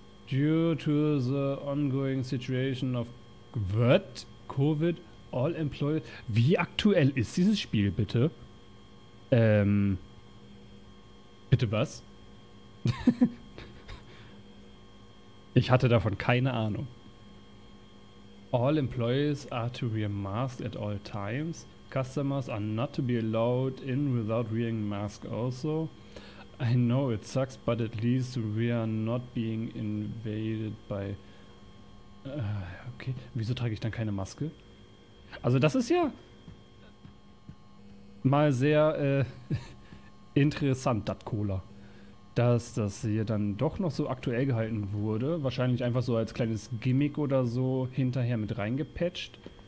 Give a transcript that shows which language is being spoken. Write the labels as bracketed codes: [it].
[en] Due to the ongoing situation of... What? Covid? All employees... [de] Wie aktuell ist dieses Spiel, bitte? Bitte was? Ich hatte davon keine Ahnung. [en] All employees are to wear masks at all times. Customers are not to be allowed in without wearing masks also. I know it sucks, but at least we are not being invaded by... [de] okay, wieso trage ich dann keine Maske? Also das ist ja mal sehr interessant, das Cola. Dass das hier dann doch noch so aktuell gehalten wurde. Wahrscheinlich einfach so als kleines Gimmick oder so hinterher mit reingepatcht.